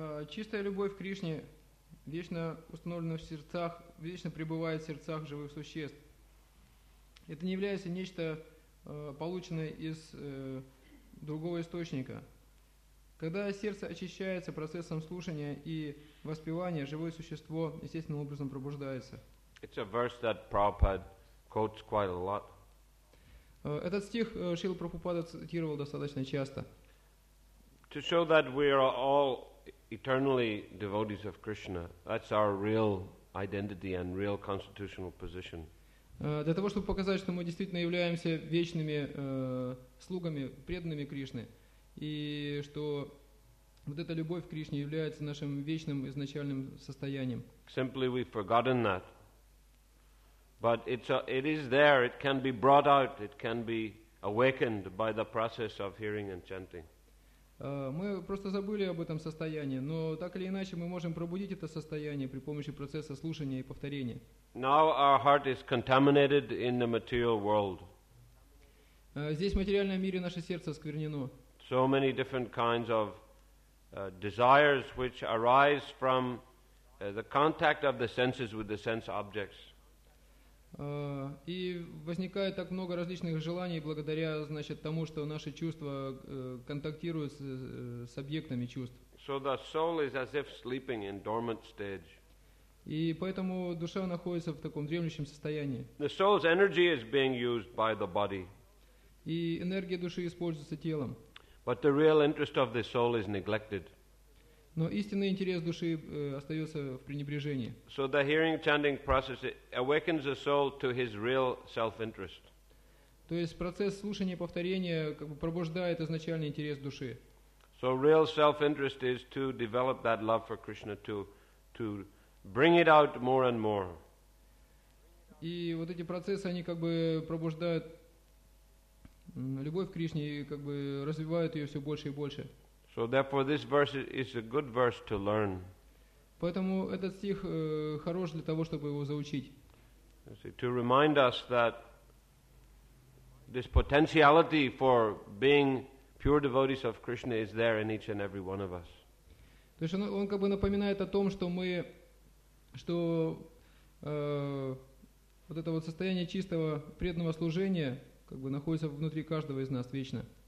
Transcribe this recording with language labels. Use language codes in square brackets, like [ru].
[ru] Чистая любовь к Кришне вечно установлена в сердцах, вечно пребывает в сердцах живых существ. Это не является нечто, полученное из другого источника. Когда сердце очищается процессом слушания и воспевания, живое существо естественным образом пробуждается. [en] It's a verse that Prabhupada quotes quite a lot. [ru] Этот стих Шрила Прабхупада цитировал достаточно часто. [en] To show that we are all eternally devotees of Krishna. That's our real identity and real constitutional position. [ru] Для того, чтобы показать, что мы действительно являемся вечными слугами, преданными Кришне, и что вот эта любовь к Кришне является нашим вечным изначальным состоянием. [en] Simply we've forgotten that. But it is there, it can be brought out, it can be awakened by the process of hearing and chanting. [ru] Мы просто забыли об этом состоянии, но так или иначе мы можем пробудить это состояние при помощи процесса слушания и повторения. [en] Now our heart is contaminated in the material world. [ru] Здесь в материальном мире наше сердце осквернено. [en] So many different kinds of desires which arise from the contact of the senses with the sense objects. [ru] И возникает так много различных желаний благодаря, значит, тому, что наши чувства контактируют с объектами чувств. [en] So the soul is as if sleeping in dormant stage. [ru] И поэтому душа находится в таком дремлющем состоянии. [en] The soul's energy is being used by the body. [ru] И энергия души используется телом. [en] But the real interest of the soul is neglected. [ru] Но истинный интерес души остается в пренебрежении. [en] So the hearing chanting process awakens the soul to his real self-interest. [ru] То есть процесс слушания и повторения как бы пробуждает изначальный интерес души. [en] So real self-interest is to develop that love for Krishna, to bring it out more and more. [ru] И вот эти процессы, они как бы пробуждают любовь к Кришне и как бы развивают ее все больше и больше. [en] So therefore this verse is a good verse to learn. [ru] Поэтому этот стих хорош для того, чтобы его заучить. [en] To remind us that this potentiality for being pure devotees of Krishna is there in each and every one of us. [ru] То есть он как бы напоминает о том, что мы, что вот это вот состояние чистого преданного служения как бы находится внутри каждого из нас вечно.